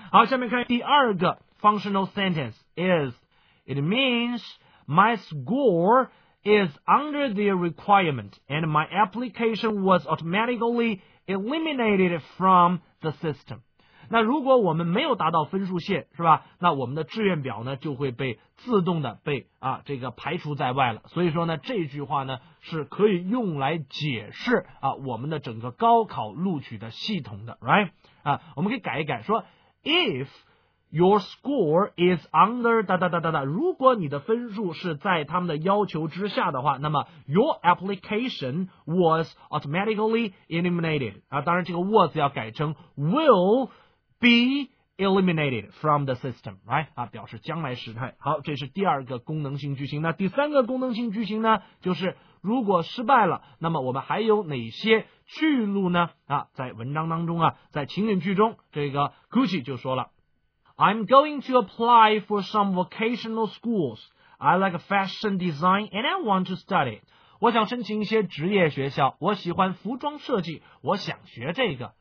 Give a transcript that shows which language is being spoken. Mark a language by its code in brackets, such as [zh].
[zh] 好，下面看第二个 [en] functional sentence is， it means my score is under the requirement and my application was automatically eliminated from the system。 [zh] 那如果我们没有达到分数线是吧，那我们的志愿表呢就会被自动的被啊这个排除在外了。所以说呢，这句话呢是可以用来解释啊我们的整个高考录取的系统的 ,right? 啊，我们可以改一改说 , [en] if your score is under [zh] 哒哒哒哒哒，如果你的分数是在他们的要求之下的话，那么 [en] your application was automatically eliminated, [zh] 啊，当然这个 was 要改成 [en] will,be eliminated from the system, right? [zh] 啊，表示将来时态。好，这是第二个功能性句型。那第三个功能性句型呢，就是如果失败了，那么我们还有哪些去路呢？啊，在文章当中啊，在情景剧中，这个 Gucci 就说了 ， [en] I'm going to apply for some vocational schools. I like fashion design and I want to study. [zh] 我想申请一些职业学校，我喜欢服装设计，我想学这个。